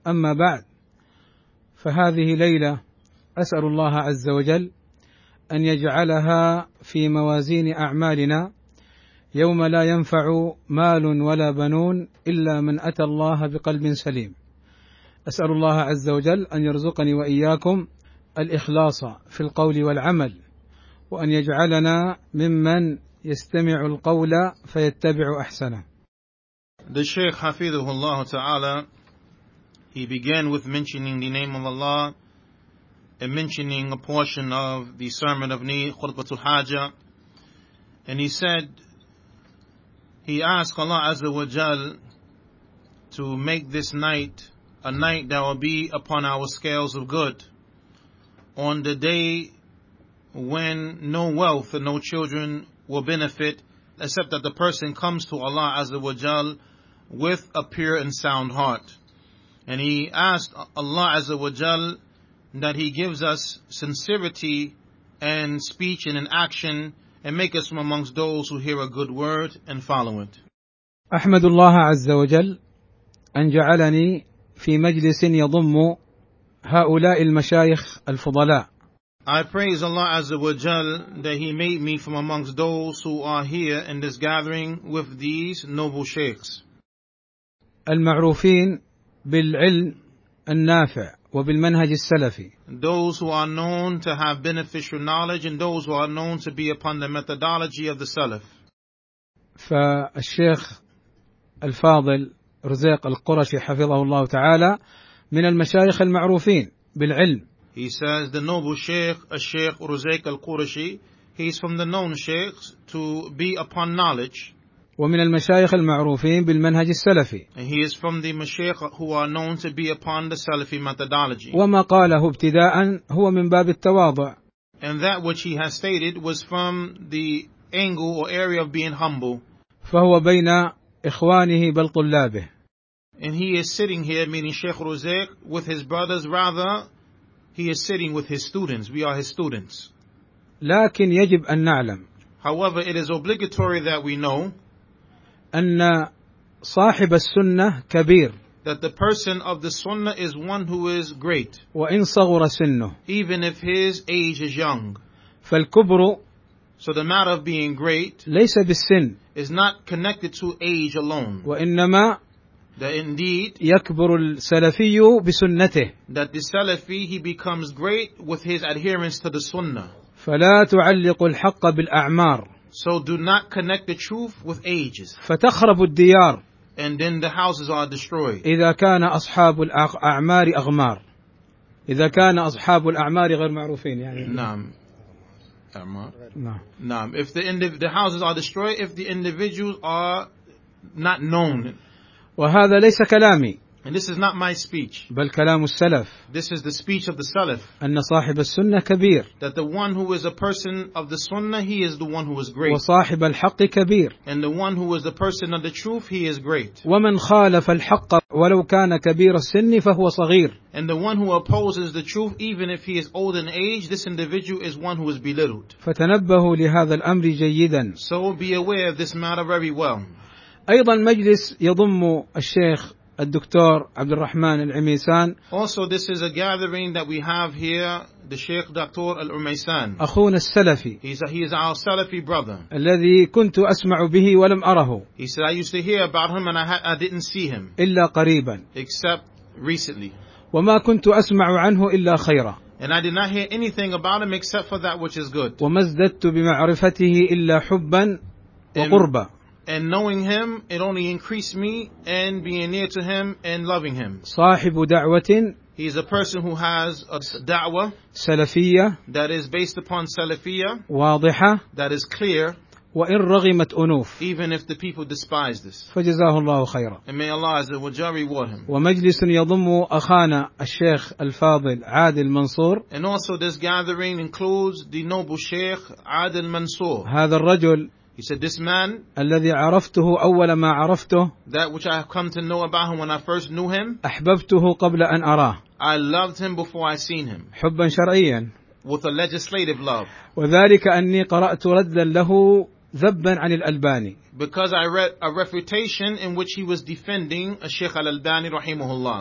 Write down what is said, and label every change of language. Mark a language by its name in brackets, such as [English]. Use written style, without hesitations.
[Arabic] أما بعد، فهذه ليلة أسأل الله عز وجل أن يجعلها في موازين أعمالنا، يوم لا ينفع مال ولا بنون إلا من أتى الله بقلب سليم. أسأل الله عز وجل أن يرزقني وإياكم الإخلاص في القول والعمل، وأن يجعلنا ممن يستمع القول فيتبع أحسنه. [English] The Shaykh [Arabic] حفظه الله تعالى, [English] he began with mentioning the name of Allah and mentioning a portion of the sermon of Ni Khutbatul Haja, and he said, he asked Allah Azza wa Jal to make this night a night that will be upon our scales of good, on the day when no wealth and no children will benefit, except that the person comes to Allah Azza wa Jal with a pure and sound heart. And he asked Allah Azza wa Jal that he gives us sincerity and speech and in action, and make us from amongst those who hear a good word and follow it. [Arabic] أحمد الله عز وجل أن جعلني في مجلس يضم هؤلاء المشايخ الفضلاء. [English] I praise Allah Azza wa Jal that He made me from amongst those who are here in this gathering with these noble sheikhs. [Arabic] المعروفين بالعلم النافع وبالمنهج السلفي. [English] Those who are known to have beneficial knowledge and those who are known to be upon the methodology of the Salaf. [Arabic] فالشيخ الفاضل رزاق القرشي حفظه الله تعالى من المشايخ المعروفين بالعلم. [English] He says the noble Shaykh, a Shaykh Ruzayk al-Qurashi, he is from the known Shaykhs to be upon knowledge. [Arabic] ومن المشايخ المعروفين بالمنهج السلفي. [English] And he is from the mashayikh who are known to be upon the Salafi methodology. [Arabic] وما قاله ابتداء هو من باب التواضع. [English] And that which he has stated was from the angle or area of being humble. [Arabic] فهو بين إخوانه بل طلابه. [English] And he is sitting here, meaning Sheikh Ruzayk, with his brothers. Rather, he is sitting with his students. We are his students. [Arabic] لكن يجب أن نعلم. [English] However, it is obligatory that we know. [Arabic] أن صاحب السنة كبير. [English] That the person of the sunnah is one who is great. [Arabic] وإن صغر سنه. [English] Even if his age is young. [Arabic] فالكبر. [English] So the matter of being great. [Arabic] ليس بالسن. [English] Is not connected to age alone. [Arabic] وإنما. [English] That indeed. [Arabic] يكبر السلفي بسنته. [English] That the Salafi he becomes great with his adherence to the sunnah. [Arabic] فلا تعلق الحق بالأعمار. [English] So do not connect the truth with ages. [Arabic] فتخرب الديار. [English] And then the houses are destroyed. [Arabic] إذا كان أصحاب الأعمار أغمار. إذا كان أصحاب الأعمار غير معروفين يعني. نعم. أعمار. نعم. [English] نعم. If the houses are destroyed, if the individuals are not known. [Arabic] وهذا ليس كلامي. [English] And this is not my speech. [Arabic] بل كلام السلف. [English] This is the speech of the Salaf. [Arabic] أن صاحب السنة كبير. [English] That the one who is a person of the Sunnah, he is the one who is great. [Arabic] وصاحب الحق كبير. [English] And the one who is the person of the truth, he is great. [Arabic] ومن خالف الحق ولو كان كبير السن فهو صغير. [English] And the one who opposes the truth, even if he is old in age, this individual is one who is belittled. [Arabic] فتنبهوا لهذا الأمر جيدا. [English] So be aware of this matter very well. [Arabic] أيضا مجلس يضم الشيخ الدكتور عبد الرحمن العميسان. [English] Also, this is a gathering that we have here, the Sheikh Dr. Al-Umaysan. [Arabic] أخونا السلفي. [English] He is our Salafi brother. [Arabic] الذي كنت أسمع به ولم أره. [English] He said, I used to hear about him and I didn't see him. [Arabic] إلا قريبا. [English] Except recently. [Arabic] وما كنت أسمع عنه إلا خيرا. [English] And I did not hear anything about him except for that which is good. [Arabic] وما ازددت بمعرفته إلا حبا وقربا. [English] And knowing him, it only increased me and being near to him and loving him. [Arabic] صاحب دعوة. [English] He is a person who has a da'wah. [Arabic] سلفية. [English] That is based upon salafiyya. [Arabic] واضحة. [English] That is clear. [Arabic] وإن رغمت أنوف. [English] Even if the people despise this. [Arabic] فجزاه الله خيرا. [English] And may Allah Azza wa Jalla reward him. [Arabic] ومجلس يضم أخانا الشيخ الفاضل عادل منصور. [English] And also this gathering includes the noble Sheikh عادل منصور. [Arabic] هذا الرجل. [English] He said, this man, [Arabic] الذي عرفته أول ما عرفته, [English] that which I have come to know about him when I first knew him, [Arabic] أحببته قبل أن أراه, [English] I loved him before I seen him, [Arabic] حبا شرعيا, [English] with a legislative love, [Arabic] وذلك أني قرأت ردا له ذبا عن الألباني, [English] because I read a refutation in which he was defending [Arabic] الشيخ الألباني رحمه الله,